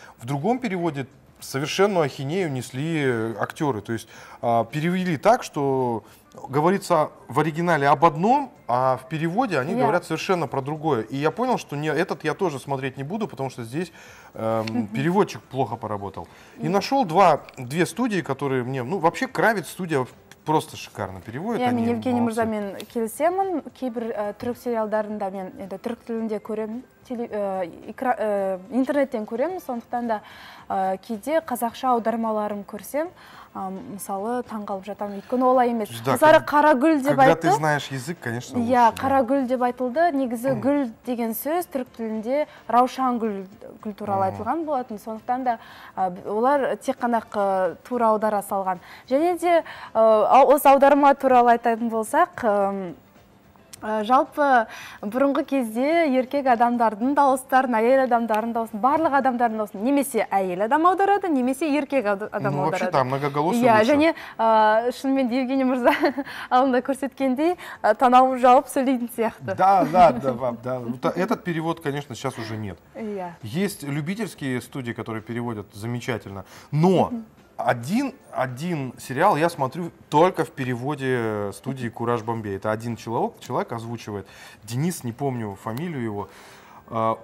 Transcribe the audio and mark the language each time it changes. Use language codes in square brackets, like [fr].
[ru] В другом переводе совершенно ахинею несли актеры, то есть перевели так, что говорится в оригинале об одном, а в переводе они говорят совершенно про другое. И я понял, что не, этот я тоже смотреть не буду, потому что здесь переводчик плохо поработал. И нашел две студии, которые мне, ну вообще Кравец студия просто шикарно переводит. [kk] Мен Евгений Мурзамен келісемін, кейбір түрік сериалдарында мен түрік тілінде көремін, интернеттен көремін, сондықтан да кейде қазақша аудармаларым көрсем, мысалы таңғалып жатамын, өйткені олай емес. Қызары қарагүл деп айтылды. [ru] Когда ты знаешь язык, конечно. [kk] Иә, қарагүл деп айтылды. Негізі гүл деген сөз түрік тілінде раушан гүл туралы айтылған болатын. Сондықтан да олар тек қана тура аудара салған. Және де осы аударма туралы айтатын болсақ, жалпы бұрынғы кезде еркек адамдардың дауыстарын, әйел адамдардың дауысын, барлық адамдардың дауысын немесе әйел адам аударады, немесе еркек адам аударады. [ru] Ну, вообще там многоголосы. [kk] Иә, және шынымен Евгений Мырза алдында көрсеткендей танауын жауып сөйлейтін сияқты. [ru] Да. Этот перевод, конечно, сейчас уже нет. [kk] Иә. [ru] Есть любительские студии, которые переводят замечательно, но один сериал я смотрю только в переводе студии «Кураж Бомбей». Это один человек озвучивает. Денис, не помню фамилию его.